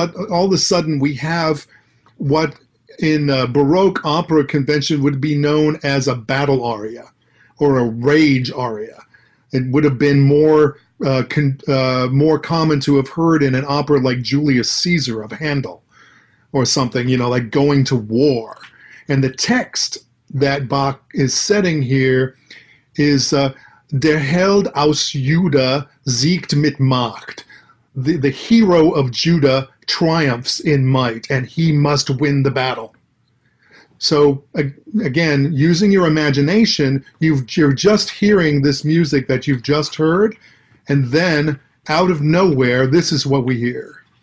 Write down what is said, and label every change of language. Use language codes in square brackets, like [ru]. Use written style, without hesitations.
[en] All of a sudden, we have what in Baroque opera convention would be known as a battle aria or a rage aria. It would have been more common to have heard in an opera like Julius Caesar of Handel. Or something, you know, like going to war. And the text that Bach is setting here is [de] Der Held aus Juda siegt mit Macht. [en] The hero of Judah triumphs in might, and he must win the battle. So again, using your imagination, you're just hearing this music that you've just heard, and then out of nowhere, this is what we hear.